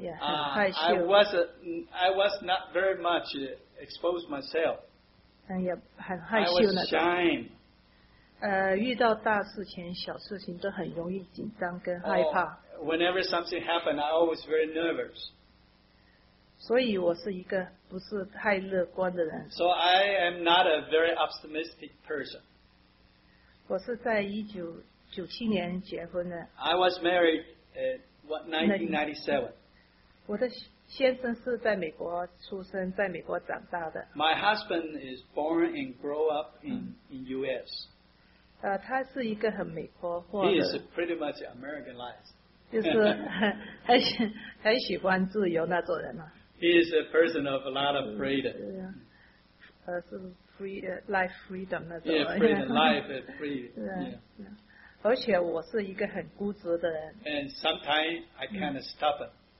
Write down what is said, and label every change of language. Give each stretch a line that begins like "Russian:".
Chinese: 也很害羞,
English: I was not very much exposed myself.
Chinese: 也很害羞那种。
English: I was shy. Whenever something happened, I was very nervous.
Chinese: 所以我是一个不是太乐观的人。
English: So I am not a very optimistic person.
Chinese: 我是在19... 97年结婚的,
English: I was married in 1997.
Chinese: 我的先生是在美国出生, 在美国长大的.
English: My husband is born and grew up in U.S.
Chinese: 他是一个很美国化的,
English: he is pretty much Americanized.
Chinese: 就是很喜欢自由那种人嘛.
English: He is a person of a lot of freedom.
Chinese: 是
English: life freedom
Chinese: 那种.
English: Yeah, freedom, life and freedom. Yeah. Yeah.
Chinese: 而且我是一个很固执的人,
English: and sometimes I kind of stubborn.